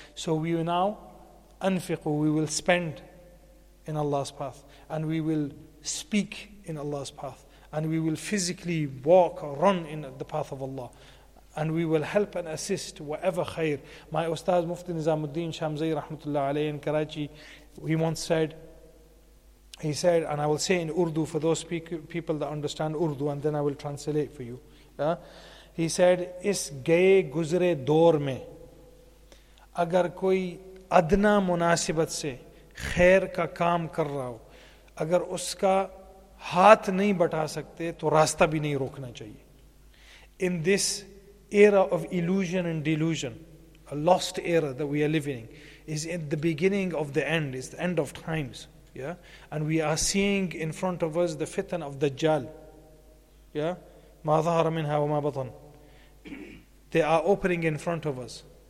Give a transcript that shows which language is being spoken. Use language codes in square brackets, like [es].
[en] So we will now anfiqu, we will spend in Allah's path, and we will speak in Allah's path, and we will physically walk or run in the path of Allah, and we will help and assist whatever khair. My Ustaz Mufti Nizamuddin Shamzai Rahmatullah Alayhi in Karachi, he once said, and I will say in Urdu for those people that understand Urdu, and then I will translate for you. Yeah? [ur] اس گئے گزرے دور میں، اگر کوئی ادنیٰ مناسبت سے خیر کا کام کر رہا ہو، اگر اس کا ہاتھ نہیں بٹا سکتے، تو راستہ بھی نہیں روکنا چاہیے. [en] In this era of illusion and delusion, a lost era that we are living in, is at the beginning of the end, is the end of times. Yeah? And we are seeing in front of us the fitan of Dajjal. Yeah? [ar] Ma zahara minha wa ma batan. [en] They are opening in front of us.